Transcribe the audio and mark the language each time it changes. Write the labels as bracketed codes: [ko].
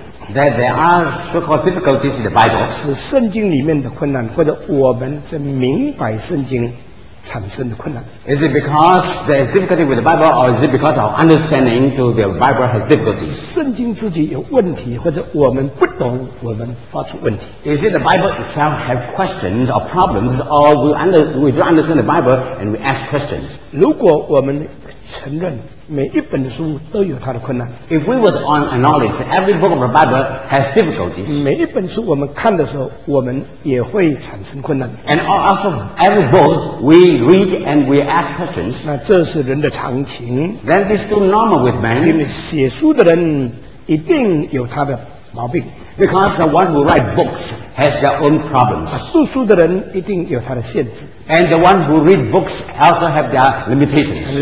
[en] There are so-called difficulties in the Bible. [zh] 是圣经里面的困难, 或者我们这明白圣经产生的困难。 [en] Is it because there is difficulty with the Bible, or is it because our understanding to the Bible has difficulties? [zh] 圣经自己有问题, 或者我们不懂, 我们发出问题。 [en] Is it the Bible itself have questions or problems, or we don't understand the Bible and we ask questions? [zh] 如果我们承认, 每一本书都有它的困难, [en] if we were to acknowledge that every book of the Bible has difficulties, [zh] 每一本书我们看的时候, 我们也会产生困难, [en] and also every book we read and we ask questions, [zh] 那这是人的常情, [en] then this is too normal with man. [zh] 因为写书的人一定有他的毛病, [en] because the one who writes books has their own problems. [zh] 读书的人一定有他的限制, [en] and the one who read books also have their limitations.